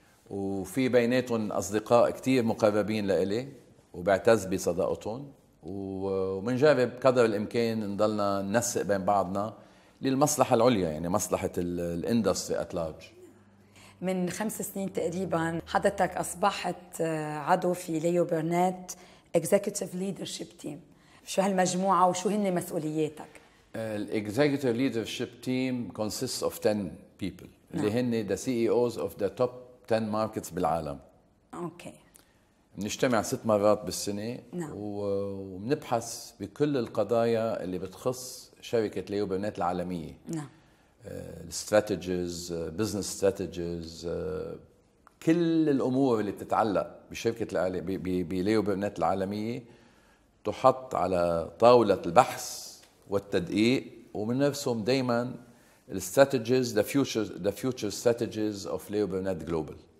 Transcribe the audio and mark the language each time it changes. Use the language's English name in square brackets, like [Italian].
[Arabic] وفي بيناتهم أصدقاء كتير مقربين لإلي وبعتز بصداقتهم، ومنجرب قدر الإمكان نضلنا ننسق بين بعضنا للمصلحة العليا، يعني مصلحة الاندستري at large. من 5 سنين تقريباً حضرتك أصبحت عضو في ليو برنيت executive leadership team. شو هالمجموعة وشو هن مسؤولياتك؟ [English] executive leadership team consists of 10 people. [Arabic] نعم. اللي هن the CEOs of the top 10 markets بالعالم. أوكي. نجتمع 6 مرات بالسنة. نعم. ونبحث بكل القضايا اللي بتخص شركة ليو برنيت العالمية. نعم. استراتيجيز، بزنس استراتيجيز، كل الأمور اللي بتتعلق بشركة ليو برنيت العالمية تحط على طاولة البحث والتدقيق، ومنرسم دائما الاستراتيجيز the future strategies of ليو برنيت جلوبال.